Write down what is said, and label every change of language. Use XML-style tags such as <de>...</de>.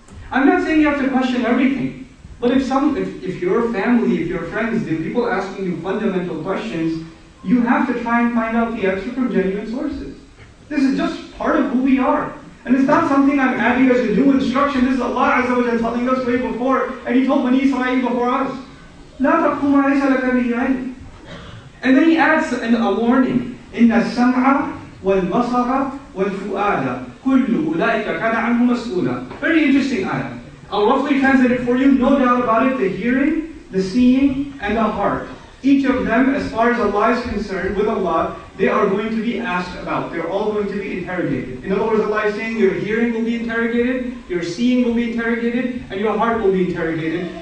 <en>I'm not saying you have to question everything. But if your family, if your friends, the people asking you fundamental questions, you have to try and find out the answer from genuine sources. This is just part of who we are. And it's not something I'm adding as a new instruction. This is Allah Azza wa Jalla telling us way before. And He told Bani Israel before us.</en> <ar>لَا تَقُوا مَا لَيْسَ لَكَ بِهِ.</ar> <en>And then he adds a warning.</en> <ar>إِنَّ السَّمْعَ وَالْبَصَرَ وَالْفُؤَادَ كُلُّ أُولَٰئِكَ كَانَ عَنْهُ مَسْئُولًا.</ar> <en>Very interesting ayah. I'll roughly translate it for you. No doubt about it, the hearing, the seeing, and the heart. Each of them, as far as Allah is concerned, with Allah, they are going to be asked about. They're all going to be interrogated. In other words, Allah is saying your hearing will be interrogated, your seeing will be interrogated, and your heart will be interrogated.</en>